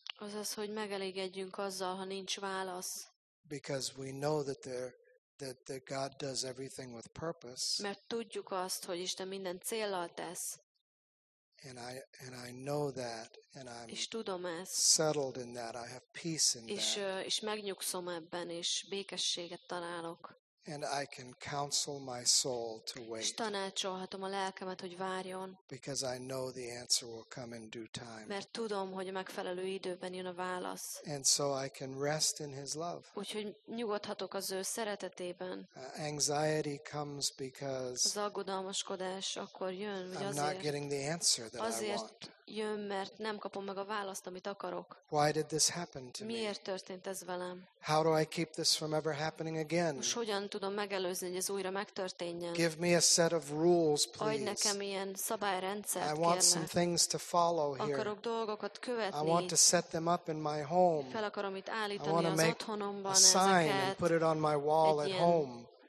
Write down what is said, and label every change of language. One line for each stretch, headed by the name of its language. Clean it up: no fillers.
Hungarian: Azaz, hogy megelégedjünk azzal, ha nincs válasz.
English: Because we know that that God does everything with purpose.
Hungarian: Mert tudjuk azt, hogy Isten minden céllal tesz.
English: And I know that, and I'm
Hungarian: és tudom ezt.
English: Settled in that. I have peace in
Hungarian: és,
English: that.
Hungarian: És megnyugszom ebben, és békességet találok.
English: And I can counsel my soul to wait.
Hungarian: És tanácsolhatom a lelkemet, hogy várjon.
English: Because I know the answer will come in due time.
Hungarian: Mert tudom, hogy a megfelelő időben jön a válasz.
English: And so I can rest in his love.
Hungarian: Úgyhogy nyugodhatok az ő szeretetében.
English: Anxiety comes because
Hungarian: az aggodalmaskodás akkor jön, hogy
English: I'm not getting the answer that I want.
Hungarian: Azért jön, mert nem kapom meg a választ, amit akarok.
English: Why did this happen to me?
Hungarian: Miért történt ez velem?
English: How do I keep this from ever happening again?
Hungarian: Tudom megelőzni, hogy ez újra megtörténjen.
English: Give me a set of rules, please.
Hungarian: Adj nekem ilyen szabályrendszert,
English: I want
Hungarian: kérlek.
English: Some things to follow here.
Hungarian: Akarok dolgokat követni.
English: I want to set them up in my home.
Hungarian: Fel akarom itt állítani az otthonomban.
English: I want to make a sign and put it on my wall at home.